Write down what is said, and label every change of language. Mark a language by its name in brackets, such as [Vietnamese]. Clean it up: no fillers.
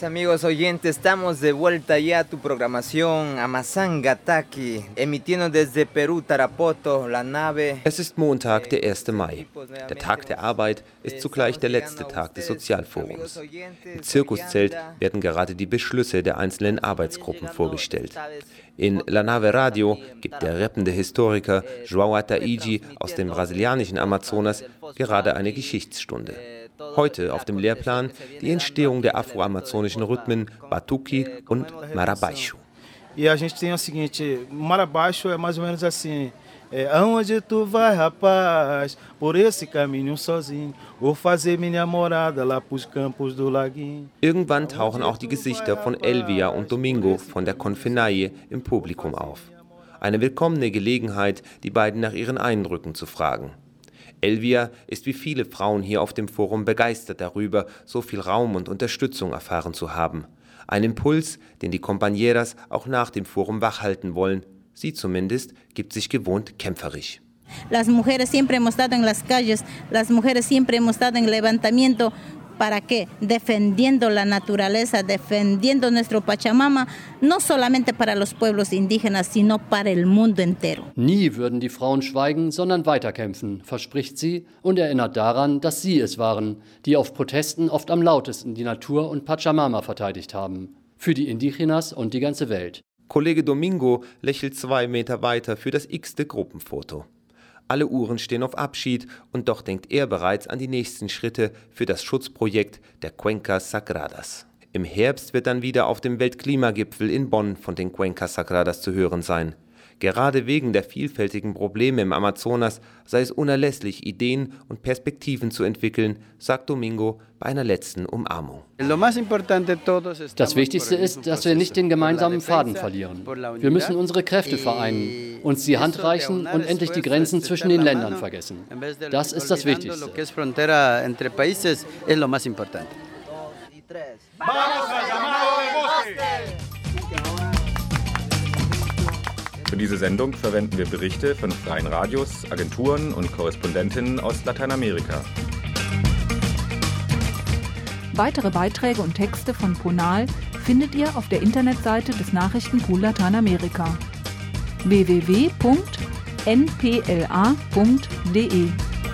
[Spanish] Gracias, amigos oyentes. Estamos de vuelta ya a tu programación Amazangataki, emitiendo desde Perú, Tarapoto, La Nave. [German] Es ist Montag, der 1. Mai. Der Tag der Arbeit ist zugleich der letzte Tag des Sozialforums. Im Zirkuszelt werden gerade die Beschlüsse der einzelnen Arbeitsgruppen vorgestellt. In La Nave Radio gibt der rappende Historiker João Ataíde aus dem brasilianischen Amazonas gerade eine Geschichtsstunde. Heute auf dem Lehrplan die Entstehung der afroamazonischen Rhythmen Batuki und Marabaixo. [Portuguese] E a gente tem o seguinte, Marabaixo é mais ou menos assim, aonde tu vai, rapaz, por esse caminho sozinho, vou fazer minha morada lá pros campos do laguinho. [German] Irgendwann tauchen auch die Gesichter von Elvia und Domingo von der Confinaie im Publikum auf. Eine willkommene Gelegenheit, die beiden nach ihren Eindrücken zu fragen. Elvia ist wie viele Frauen hier auf dem Forum begeistert darüber, so viel Raum und Unterstützung erfahren zu haben. Ein Impuls, den die Companieras auch nach dem Forum wachhalten wollen. Sie zumindest gibt sich gewohnt kämpferisch. [Spanish] Las mujeres siempre hemos estado en las calles, las mujeres siempre hemos estado en levantamiento. ¿Para qué? Defendiendo la naturaleza, defendiendo nuestro Pachamama, no solamente para los pueblos indígenas, sino para el mundo entero. [German] Nie würden die Frauen schweigen, sondern weiterkämpfen, verspricht sie und erinnert daran, dass sie es waren, die auf Protesten oft am lautesten die Natur und Pachamama verteidigt haben. Für die Indígenas und die ganze Welt. Kollege Domingo lächelt 2 Meter weiter für das x-te Gruppenfoto. Alle Uhren stehen auf Abschied und doch denkt er bereits an die nächsten Schritte für das Schutzprojekt der Cuencas Sagradas. Im Herbst wird dann wieder auf dem Weltklimagipfel in Bonn von den Cuencas Sagradas zu hören sein. Gerade wegen der vielfältigen Probleme im Amazonas sei es unerlässlich, Ideen und Perspektiven zu entwickeln, sagt Domingo bei einer letzten Umarmung. Das Wichtigste ist, dass wir nicht den gemeinsamen Faden verlieren. Wir müssen unsere Kräfte vereinen, uns die Hand reichen und endlich die Grenzen zwischen den Ländern vergessen. Das ist das Wichtigste. [Spanish] Vamos a llamar a los bosques. [German] Für diese Sendung verwenden wir Berichte von freien Radios, Agenturen und Korrespondentinnen aus Lateinamerika. Weitere Beiträge und Texte von Ponal findet ihr auf der Internetseite des Nachrichtenpool Lateinamerika www.npla.de.